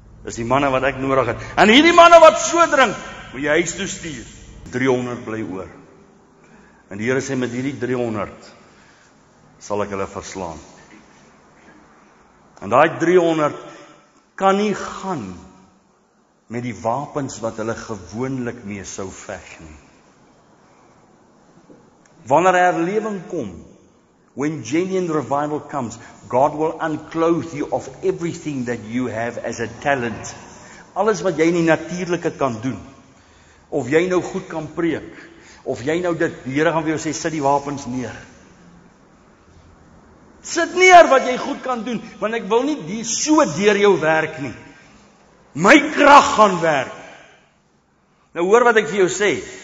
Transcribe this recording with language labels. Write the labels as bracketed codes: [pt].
[af] is die manne wat ek nodig het, en hierdie manne wat so drink, moet jy huis toe stuur, 300 bly oor, en die Here sê, met hierdie 300, sal ek hulle verslaan, en die 300 kan nie gaan met die wapens wat hulle gewoonlik mee sou veg nie. Wanneer herlewing kom, [en] when genuine revival comes, God will unclothe you of everything that you have as a talent. [af] Alles wat jy nie natuurlijke kan doen, of jy nou goed kan preek, of jy nou dit, die Here gaan vir jou sê, sit die wapens neer. Sit neer wat jy goed kan doen, want ek wil nie die so deur jou werk nie. My krag gaan werk. Nou hoor wat ek vir jou sê.